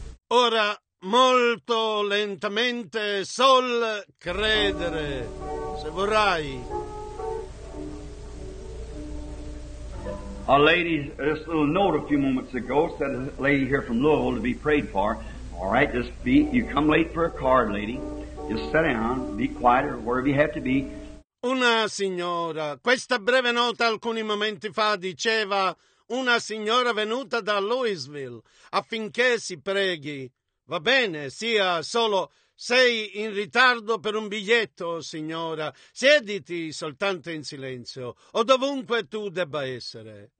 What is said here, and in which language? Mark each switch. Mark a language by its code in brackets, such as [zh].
[it] Ora, molto lentamente, sol credere, se vorrai. [en] A lady, this little note a few moments ago, said a lady here from Louisville to be prayed for. All right, just be, you come late for a card, lady. Just sit down, be quiet, or wherever you have to be. [it] Una signora, questa breve nota alcuni momenti fa, diceva una signora venuta da Louisville affinché si preghi. Va bene, sia solo, sei in ritardo per un biglietto, signora. Siediti soltanto in silenzio, o dovunque tu debba essere.